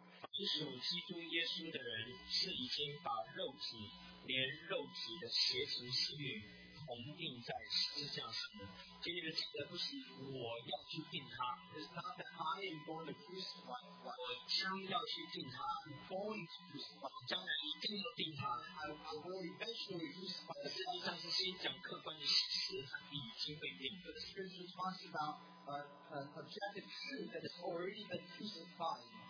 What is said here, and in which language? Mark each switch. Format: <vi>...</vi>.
<zh>凡属基督耶稣的人是已经把肉体连肉体的邪情私欲同定在十字架上的今天的记得不是我要去定他</zh> <en>It's not that I am going to crucify</en> <zh>我将要去定他</zh> <en>I'm going to crucify</en> <zh>将来一定要定他</zh> <en>I will eventually crucify</en> <zh>实际上是先讲客观的事实他已经被定了</zh> <en>The scripture talks about an objective truth that has already been crucified</en>